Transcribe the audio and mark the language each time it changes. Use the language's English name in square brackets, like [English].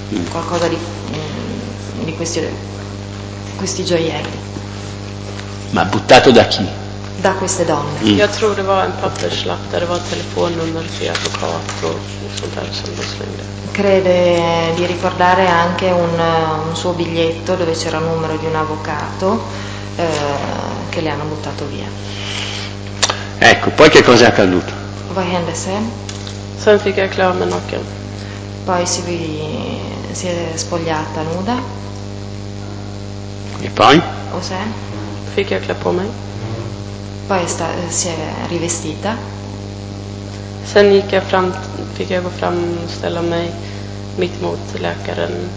[Italian] Qualcosa di questi gioielli. Ma buttato da chi? Da queste donne. [Swedish] Jag tror det var en papperslapp där det var telefonnummer till advokat och sånt där som de slängde. [Italian] Crede di ricordare anche un suo biglietto dove c'era il numero di un avvocato che le hanno buttato via. Ecco, poi che cosa è accaduto? [Swedish] Vad hände sen? Sen fick jag klä mig naken. [Italian] Poi si è spogliata nuda. E poi? [Swedish] O sen? Fick jag klä på mig. [Italian] Poi si è rivestita. [Swedish] Sen gick jag fram, fick jag gå fram och ställa mig mitt mot läkaren.